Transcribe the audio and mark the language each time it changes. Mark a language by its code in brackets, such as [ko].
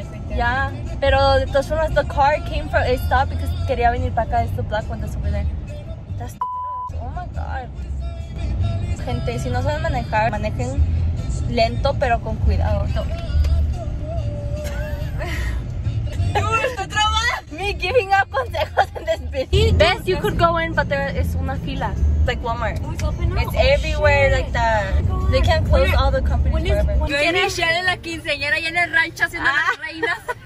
[en] The car came from, it stopped because [es] quería venir para acá. [en] It's the black one that's over there. That's the, oh my god. [es] Gente, si no saben manejar, manejen lento pero con cuidado. [en] Dude, me giving up consejos in this video. Best, you could go in, but there is [es] una fila. [en] It's like Walmart. Oh, it's open now. It's everywhere, shit. Like that. Oh, they can't close all the companies forever. [es] Yo y Michelle en la quinceañera y en el rancho haciendo las reinas.